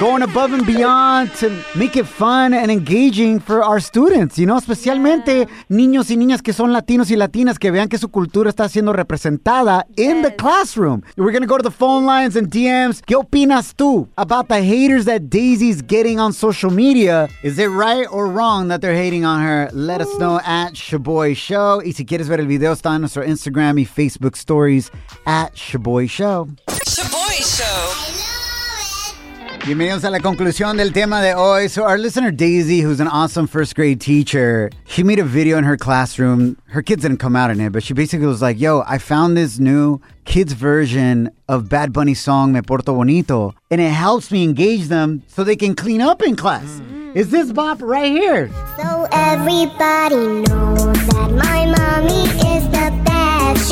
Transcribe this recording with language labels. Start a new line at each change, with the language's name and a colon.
English: Going above and beyond to make it fun and engaging for our students, you know,
Spanish: especialmente niños y niñas que son latinos y latinas, que vean que su cultura está siendo representada
English: in the classroom. We're going to go to the phone lines and DMs.
Spanish: ¿Qué opinas tú
English: about the haters that Daisy's getting on social media? Is it right or wrong that they're hating on her? Let us know at Shaboy Show.
Spanish: Y si quieres ver el video, está en nuestro Instagram y Facebook Stories at Shaboy Show.
English: Shaboy Show.
Spanish: Bienvenidos a la conclusión del tema de hoy.
English: So our listener Daisy, who's an awesome first grade teacher, she made a video in her classroom. Her kids didn't come out in it, but she basically was like, yo, I found this new kids version of Bad Bunny's song, Me Porto Bonito, and it helps me engage them so they can clean up in class. Mm-hmm. Is this bop right here? So everybody knows that my mommy is the best.